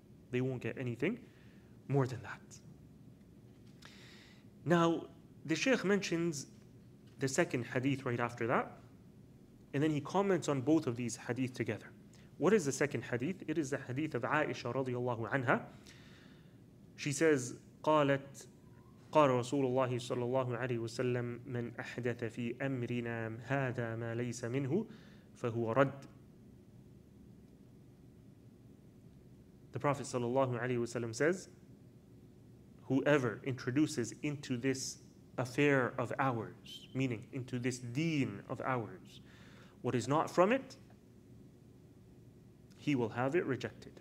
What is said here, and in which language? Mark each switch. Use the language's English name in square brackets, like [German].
[English] They won't get anything more than that. Now, the Shaykh mentions the second hadith right after that, and then he comments on both of these hadith together. What is the second hadith? It is the hadith of Aisha [Arabic] radiallahu anha. [English] She says, [Arabic] قالت قال رسول الله صلى الله عليه وسلم من أحدث في أمرنا هذا ما ليس منه فهو رد. [English] The Prophet [Arabic] صلى الله عليه وسلم [English] says, whoever introduces into this affair of ours, meaning into this deen of ours, what is not from it, he will have it rejected.